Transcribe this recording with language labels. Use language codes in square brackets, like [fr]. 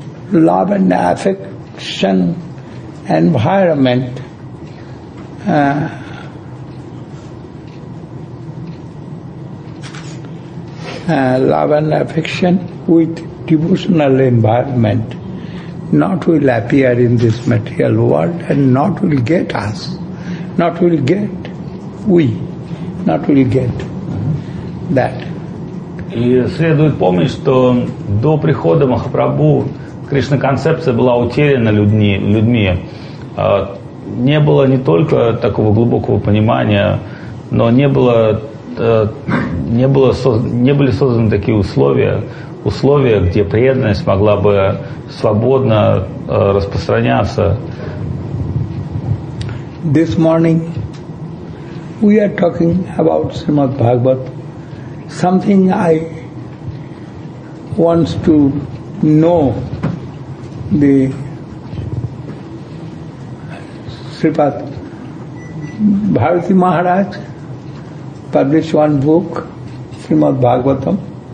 [en] love and affection environment love and affection with devotional environment not will appear in this material world and not will get us, not will get we, not will get that. [ru] И следует помнить, что до прихода Махапрабху Кришна-концепция была утеряна людьми. Не было не только такого глубокого понимания, но не были созданы такие условия, где преданность могла бы свободно распространяться. [en] This morning we are talking about Srimad Bhagavat. Something I want to know the Sripad Bharati Maharaj published one book, Srimad Bhagavatam.